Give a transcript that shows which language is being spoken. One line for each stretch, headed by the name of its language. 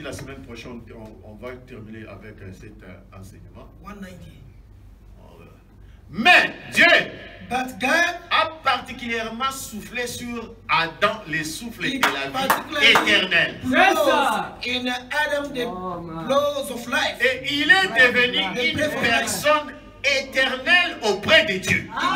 French: La semaine prochaine, on va terminer avec cet enseignement. 190. Mais Dieu
English: but God
French: a particulièrement soufflé sur Adam les souffles de la vie éternelle.
English: In Adam the blows of life.
French: Et il est devenu une personne éternel auprès de Dieu.